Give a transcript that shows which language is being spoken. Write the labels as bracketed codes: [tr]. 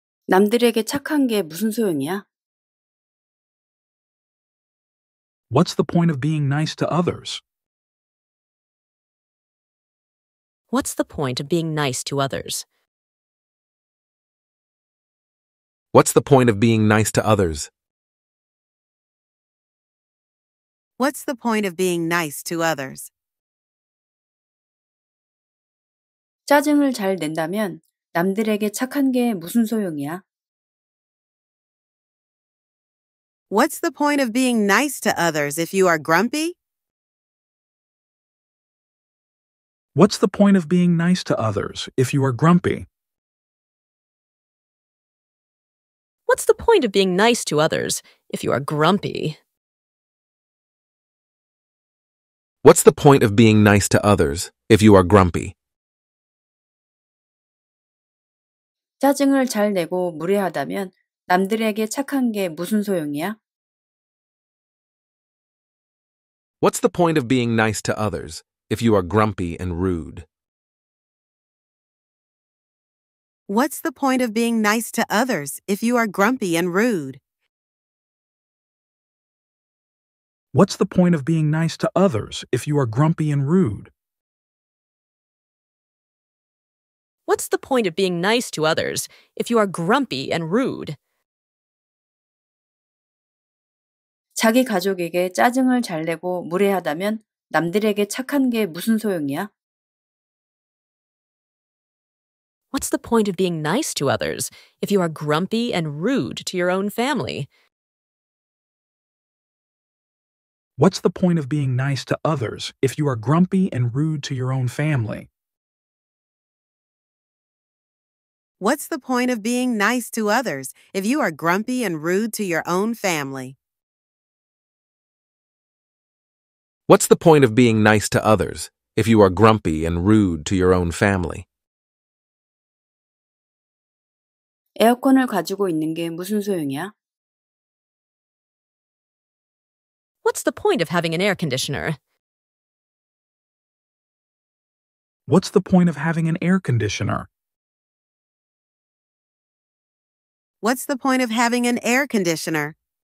[ko] 남들에게 착한 게 무슨 소용이야? [en] What's the point of being nice to others? What's the point of being nice to others? What's the point of being nice to others? What's the point of being nice to others? [ko] 짜증을 잘 낸다면 남들에게 착한 게 무슨 소용이야? [en] What's the point of being nice to others if you are grumpy? What's the point of being nice to others if you are grumpy? What's the point of being nice to others if you are grumpy? What's the point of being nice to others if you are grumpy? [ko] 짜증을 잘 내고 무례하다면 남들에게 착한 게 무슨 소용이야? [en] What's the point of being nice to others if you are grumpy and rude? What's the point of being nice to others if you are grumpy and rude? What's the point of being nice to others if you are grumpy and rude? What's the point of being nice to others if you are grumpy and rude? [ko] 자기 가족에게 짜증을 잘 내고 무례하다면 남들에게 착한 게 무슨 소용이야? [en] What's the point of being nice to others if you are grumpy and rude to your own family? What's the point of being nice to others if you are grumpy and rude to your own family? What's the point of being nice to others if you are grumpy and rude to your own family? What's the point of being nice to others if you are grumpy and rude to your own family? [ko] 에어컨을 가지고 있는 게 무슨 소용이야? [en] What's the point of having an air conditioner? What's the point of having an air conditioner? What's the point of having an air conditioner?